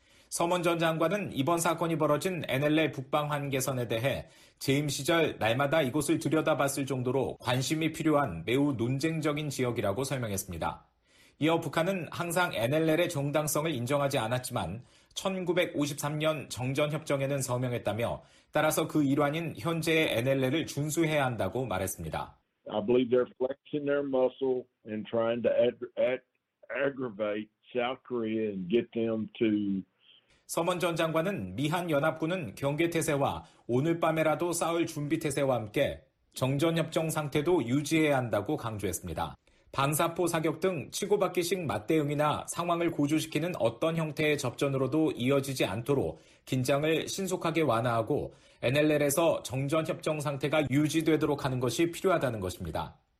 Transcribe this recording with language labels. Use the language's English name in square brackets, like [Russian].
[Korean] 서문 전 장관은 이번 사건이 벌어진 NLL 북방 한계선에 대해 재임 시절 날마다 이곳을 들여다봤을 정도로 관심이 필요한 매우 논쟁적인 지역이라고 설명했습니다. 이어 북한은 항상 NLL의 정당성을 인정하지 않았지만 1953년 정전협정에는 서명했다며 따라서 그 일환인 현재의 NLL을 준수해야 한다고 말했습니다. [English] I believe they're flexing their muscle and trying to aggravate South Korea and get them to [Korean] 서먼 전 장관은 미한 연합군은 경계태세와 오늘 밤에라도 싸울 준비태세와 함께 정전협정 상태도 유지해야 한다고 강조했습니다. 방사포 사격 등 치고받기식 맞대응이나 상황을 고조시키는 어떤 형태의 접전으로도 이어지지 않도록 긴장을 신속하게 완화하고 NLL에서 정전협정 상태가 유지되도록 하는 것이 필요하다는 것입니다.